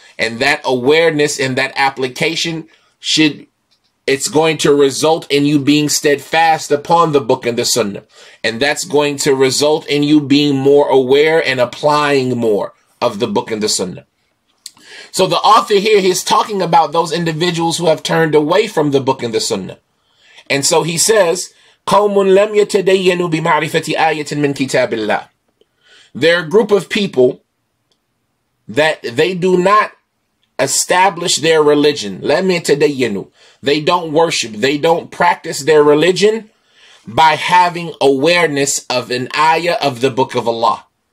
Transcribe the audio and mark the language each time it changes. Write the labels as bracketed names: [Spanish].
[English] And that awareness and that application should, it's going to result in you being steadfast upon the book and the sunnah. And that's going to result in you being more aware and applying more of the book and the sunnah. So the author here, he's talking about those individuals who have turned away from the book and the sunnah. And so he says, [Arabic] قَوْمٌ لَمْ يَتَدَيَّنُوا بِمَعْرِفَةِ آيَةٍ مِّن كِتَابِ اللَّهِ. [English] They're a group of people that they do not establish their religion. [Arabic] لَمْ يَتَدَيَّنُوا. [English] They don't worship, they don't practice their religion by having awareness of an ayah of the book of Allah.